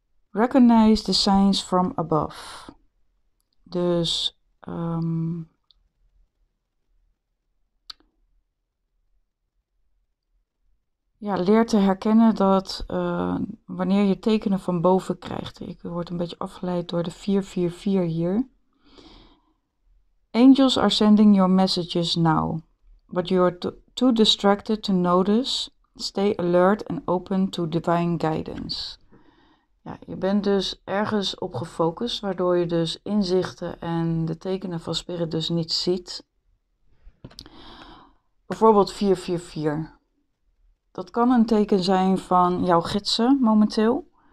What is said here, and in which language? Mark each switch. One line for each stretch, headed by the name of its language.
English: Recognize the signs from above.
Dutch: Dus ja, leer te herkennen dat wanneer je tekenen van boven krijgt. Ik word een beetje afgeleid door de 444 hier.
English: Angels are sending your messages now. But you're too distracted to notice. Stay alert and open to divine guidance.
Dutch: Ja, je bent dus ergens op gefocust, waardoor je dus inzichten en de tekenen van spirit dus niet ziet. Bijvoorbeeld 444. Dat kan een teken zijn van jouw gidsen momenteel.